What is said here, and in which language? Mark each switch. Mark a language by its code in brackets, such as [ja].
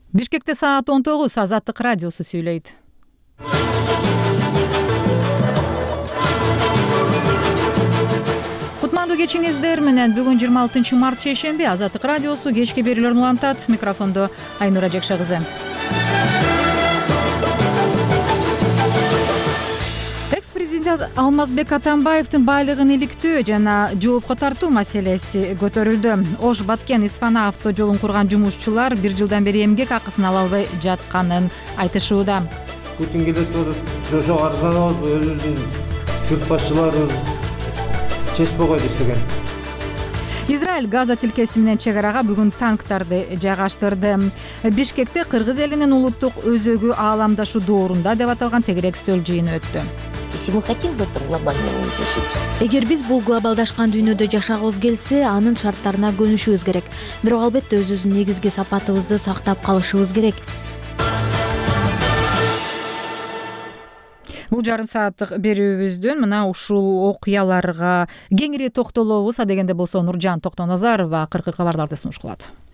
[ky] Бишкекте саат 19 Азаттык радиосу сүйлөйт. Кутмандуу кечиңиздер менен. Бүгүн 26 март шейшемби. Азаттык радиосу кечки берүүлөрүн улантат. Микрофондо Айнура Жакша кызы. Алмазбек Атамбаевдин байлыгын иликтөө жана жоопко тартуу маселеси көтөрүлдү. Ош Баткен Исфана авто жолун курган жумушчулар бир жылдан бери эмгек акысын ала албай жатканын айтышууда. Путин келет туруп жошо арзанабы өзүбүздүн журт башчыларыбыз чечпогой десекен. Израиль Газа тилкеси менен чек арага бүгүн танктарды жайгаштырды. Бишкекте кыргыз элинин улуттук өзөгү ааламдашуу доорунда деп аталган тегерек үстөл жыйыны өттү. [ru] Если мы хотим в этом глобальном мире жить. [ky] Эгер биз бул глобалдашкан дүйнөдө жашагыбыз келсе, анын шарттарына көнүшүбүз керек. Бирок албетте өзүбүздүн негизги сапатыбызды сактап калышыбыз керек. Бул жарым сааттык берүүбүздүн мына ушул окуяларга кеңири токтолобуз, а дегенде болсо Нуржан Токтоназарова кыргыз кабарларды сунуш кылат.